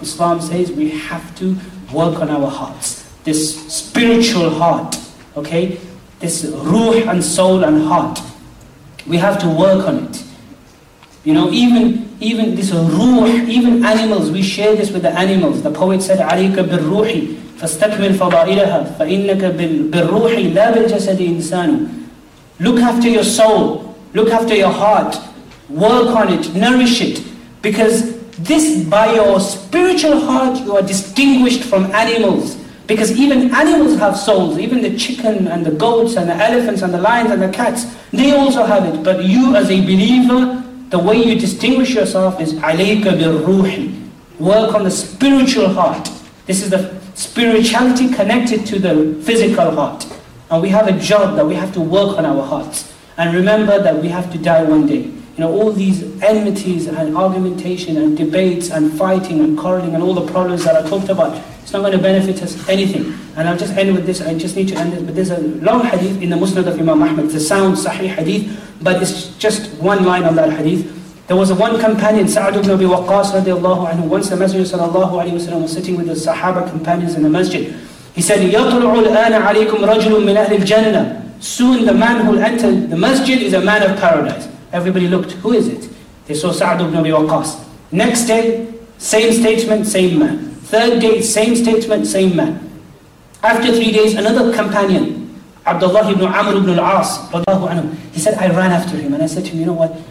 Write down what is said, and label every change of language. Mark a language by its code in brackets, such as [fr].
[en] Islam says we have to work on our hearts. This spiritual heart, okay? This ruh and soul and heart. We have to work on it. You know, even this ruh, even animals, we share this with the animals. The poet said, [ar] عَلَيْكَ بِالْرُوحِ فَاسْتَكْمِلْ فَضَائِلَهَا فَإِنَّكَ بِالْرُوحِ لَا بِالْجَسَدِ إِنسَانُ. [en] Look after your soul, look after your heart, work on it, nourish it. Because this, by your spiritual heart, you are distinguished from animals. Because even animals have souls, even the chicken and the goats and the elephants and the lions and the cats, they also have it. But you as a believer, the way you distinguish yourself is [ar] عَلَيْكَ بِالْرُوحِ. [en] Work on the spiritual heart. This is the spirituality connected to the physical heart. And we have a job that we have to work on our hearts. And remember that we have to die one day. know, all these enmities and argumentation and debates and fighting and quarreling and all the problems that I talked about, it's not going to benefit us anything. And I'll just end with this, I just need to end this, but there's a long hadith in the Musnad of Imam Ahmad, it's a sound sahih hadith, but it's just one line of that hadith. There was one companion, Sa'd ibn Abi Waqqas radiallahu anhu, once the Messenger sallallahu alayhi wa sallam was sitting with his Sahaba companions in the masjid. He said, [ar] يَطْلُعُ الْآنَ عَلَيْكُمْ رَجُلٌ مِنْ أَهْلِ الْجَنَّةِ. [en] Soon the man who will enter the masjid is a man of paradise. Everybody looked, who is it? They saw Sa'd ibn Abi Waqqas. Next day, same statement, same man. Third day, same statement, same man. After 3 days, another companion, Abdullah ibn Amr ibn al-As radiallahu anhu, he said, I ran after him and I said to him, you know what?